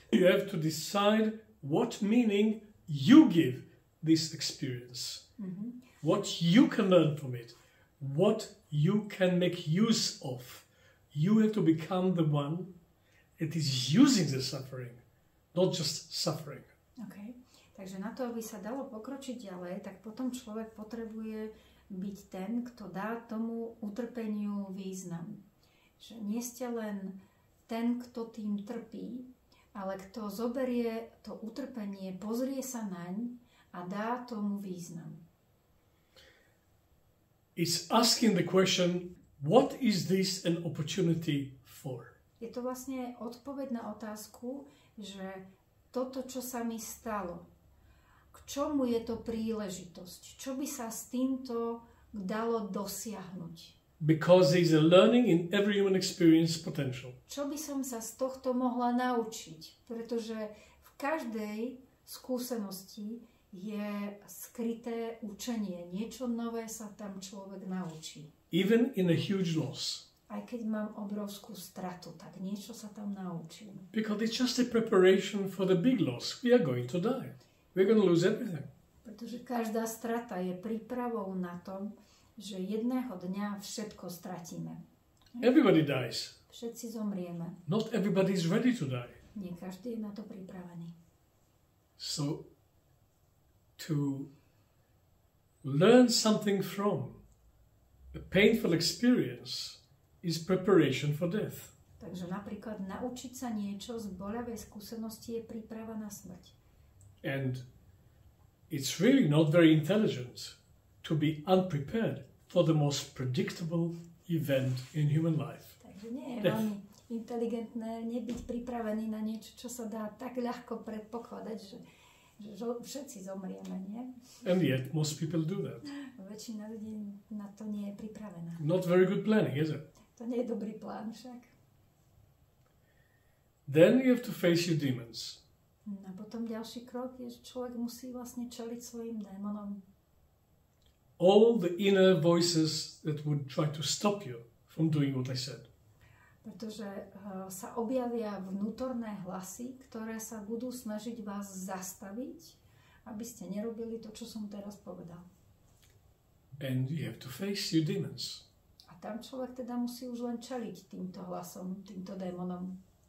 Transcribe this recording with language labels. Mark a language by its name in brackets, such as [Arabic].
[English] You have to decide what meaning you give this experience, mm-hmm, what you can learn from it, what you can make use of. You have to become the one that is using the suffering, not just suffering. Okay. [Slovak] Takže na to, aby sa dalo pokročiť ďalej, tak potom človek potrebuje byť ten, kto dá tomu utrpeniu význam. Že nie ste len ten, kto tým trpí, ale kto zoberie to utrpenie, pozrie sa naň a dá tomu význam. [English] It's asking the question, what is this an opportunity for? [Slovak] Je to vlastne odpoveď na otázku, že toto, čo sa mi stalo, k čomu je to príležitosť? Čo by sa s týmto dalo dosiahnuť? [English] Because there is a learning in every human experience potential. [Slovak] Čo by som sa z tohto mohla naučiť? Pretože v každej skúsenosti je skryté učenie. Niečo nové sa tam človek naučí. [English] Even in a huge loss. [Slovak] Aj keď mám obrovskú stratu, tak niečo sa tam naučím. [English] Because it's just a preparation for the big loss. We are going to die. We're going to lose everything. [Slovak] Pretože každá strata je prípravou na tom, že jedného dňa všetko stratíme. [English] Everybody dies. [Slovak] Všetci zomrieme. [English] Not everybody is ready to die. [Slovak] Nie každý je na to pripravený. [English] So to learn something from a painful experience is preparation for death. [Slovak] Takže napríklad naučiť sa niečo z bolavej skúsenosti je príprava na smrť. [English] And it's really not very intelligent to be unprepared for the most predictable event in human life. [Slovak] Takže nie je veľmi inteligentné nebyť pripravený na niečo, čo sa dá tak ľahko predpokladať, že všetci zomrieme, nie? [English] And yet most people do that. [Slovak] Väčšina ľudí na to nie je pripravená. [English] Not very good planning, is it? [Slovak] To nie je dobrý plán však. [English] Then you have to face your demons. [Slovak] A potom ďalší krok je, že človek musí vlastne čeliť svojim démonom. [English] All the inner voices that would try to stop you from doing what I said. [Slovak] Pretože sa objavia vnútorné hlasy, ktoré sa budú snažiť vás zastaviť, aby ste nerobili to, čo som teraz povedal. [English] And you have to face your demons. [Slovak] A tam človek teda musí už len čeliť týmto hlasom, týmto démonom.